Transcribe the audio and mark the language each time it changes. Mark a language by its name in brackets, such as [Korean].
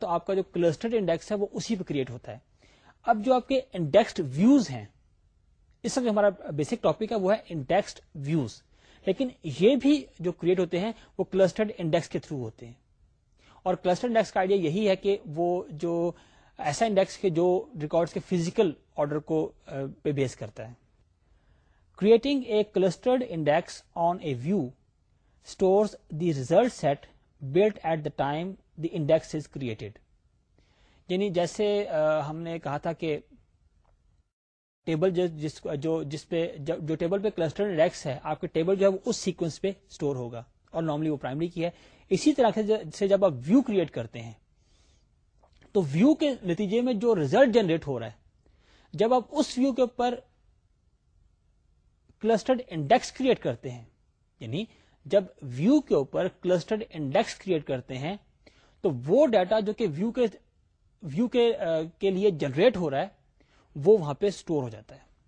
[Urdu] تو آپ کا جو کلسٹر انڈیکس ہے وہ اسی پہ کریٹ ہوتا ہے. اب جو آپ کے انڈیکسڈ ویوز ہیں, اس وقت ہمارا بیسک ٹاپک ہے وہ ہے انڈیکسڈ ویوز, لیکن یہ بھی جو کریٹ ہوتے ہیں وہ کلسٹرڈ انڈیکس کے تھرو ہوتے ہیں. اور کلسٹر انڈیکس کا آئیڈیا یہی ہے کہ وہ جو ایسا انڈیکس کے جو ریکارڈز کے فزیکل آرڈر کو پہ بیس کرتا ہے. [English] Creating a clustered index on a view stores the result set built at the time the index is created. [Urdu] یعنی جیسے ہم نے کہا تھا کہ ٹیبل جو ٹیبل پہ کلسٹرڈ انڈیکس ہے آپ کے ٹیبل جو ہے وہ اس سیکوینس پہ اسٹور ہوگا اور نارملی وہ پرائمری کی ہے. اسی طرح سے جب آپ ویو کریٹ کرتے ہیں تو ویو کے نتیجے میں جو ریزلٹ جنریٹ ہو رہا ہے جب آپ اس ویو کے اوپر کلسٹرڈ انڈیکس کریٹ کرتے ہیں, یعنی جب ویو کے اوپر کلسٹرڈ انڈیکس کریٹ کرتے ہیں تو وہ ڈیٹا جو کہ ویو کے لیے جنریٹ ہو رہا ہے وہ وہاں پہ سٹور ہو جاتا ہے.